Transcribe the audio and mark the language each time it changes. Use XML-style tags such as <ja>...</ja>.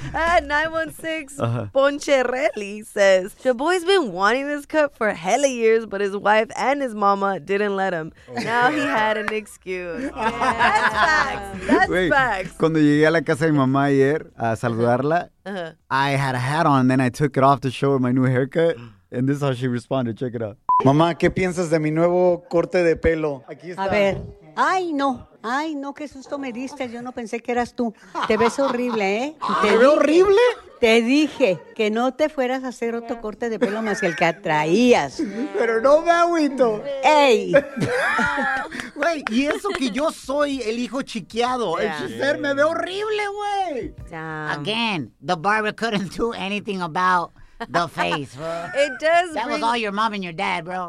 <en>At 916, Poncherelli says, your boy's been wanting this cut for hella years, but his wife and his mama didn't let him. Oh, now he had an excuse. That's facts.</en> <es>Cuando llegué a la casa de mi mamá ayer a saludarla,</es> <en>I had a hat on, and then I took it off to show her my new haircut, and this is how she responded. Check it out.</en> <es>Mamá, ¿qué piensas de mi nuevo corte de pelo? Aquí está. A ver. Ay, no, qué susto me diste. Yo no pensé que eras tú. Te ves horrible, ¿eh? ¿Te veo horrible? Te dije que no te fueras a hacer otro corte de pelo más que el que traías. Pero no me agüito. ¡Ey! Güey, y eso que yo soy el hijo chiqueado. Yeah. Ese ser me ve horrible, güey.</es> <en>Again, the barber couldn't do anything about the face, bro. It does. That was all your mom and your dad, bro.</en>